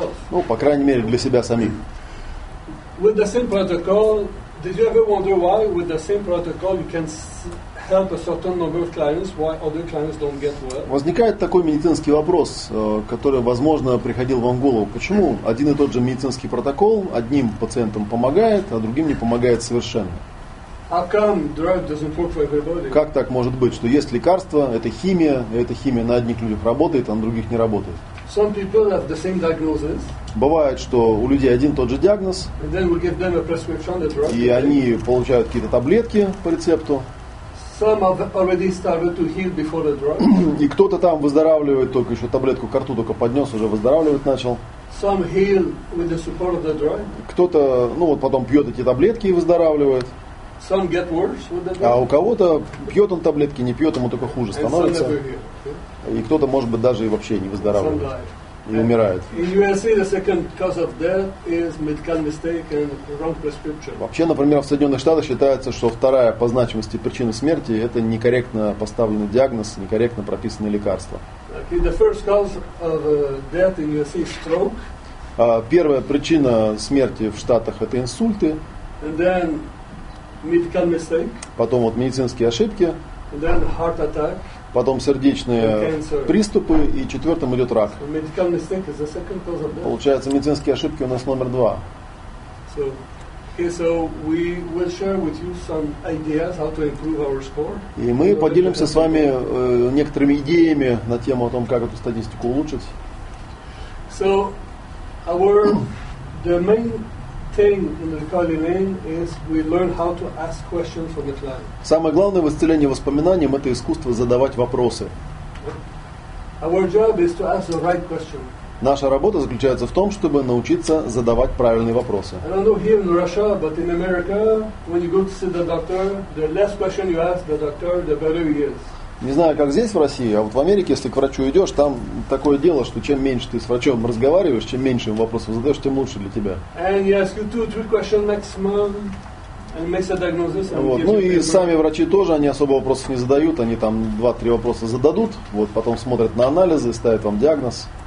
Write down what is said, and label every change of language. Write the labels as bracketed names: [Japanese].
[Russian] Ну, по крайней мере, для себя самих. [English] With the same protocol, did you ever wonder why with the same protocol you can help a certain number of clients, why other clients don't get well? [Russian] Возникает такой медицинский вопрос, который, возможно, приходил вам в голову. Почему один и тот же медицинский протокол одним пациентам помогает, а другим не помогает совершенно? [English] How come drug doesn't work for everybody? [Russian] Как так может быть, что есть лекарство, это химия, и эта химия на одних людях работает, а на других не работает? [English] Some people have the same diagnosis. [Russian] Бывает, что у людей один тот же диагноз, [English] and then we give them a prescription, the drug, [Russian] и они получают какие-то таблетки по рецепту. [English] Some have already started to heal before the drug. [Russian] И кто-то там выздоравливает, только еще таблетку ко рту только поднес, уже выздоравливать начал. [English] Some heal with the support of the drug. [Russian] Кто-то, ну вот потом пьет эти таблетки и выздоравливает. [English] Some get worse with the [Russian] а у кого-то пьет он таблетки, не пьет, ему только хуже становится. [English] Okay. [Russian] И кто-то, может быть, даже и вообще не выздоравливает. [English] Some [Russian] и умирает. [English] In USA, the second cause of death is medical mistake and wrong prescription. [Russian] Вообще, например, в Соединенных Штатах считается, что вторая по значимости причина смерти – это некорректно поставленный диагноз, некорректно прописанные лекарства. [English] Okay. The first cause of death in USA is stroke. [Russian] А первая причина смерти в Штатах – это инсульты. [English] And then medical mistake. [Russian] Потом вот медицинские ошибки. [English] And then heart attack. [Russian] Потом сердечные приступы, и четвертым идет рак. [English] So medical mistake is the second cause of death. [Russian] Получается, медицинские ошибки у нас номер два. [English] So, okay, so we will share with you some ideas how to improve our score. [Russian] И мы поделимся с вами некоторыми идеями на тему о том, как эту статистику улучшить. [English] So our the main thing in recalling is we learn how to ask questions for the client. [Russian] Самое главное в исцелении воспоминаниям это искусство задавать вопросы. [English] Our job is to ask the right question. [Russian] Наша работа заключается в том, чтобы научиться задавать правильные вопросы. [English] I don't know here in Russia, but in America, when you go to see the doctor, the less question you ask the doctor, the better he is. [Russian] Не знаю, как здесь в России, а вот в Америке, если к врачу идешь, там такое дело, что чем меньше ты с врачом разговариваешь, чем меньше ему вопросов задаешь, тем лучше для тебя. Вот. Ну и сами врачи тоже, они особо вопросов не задают, они там 2-3 вопроса зададут, вот потом смотрят на анализы, ставят вам диагноз.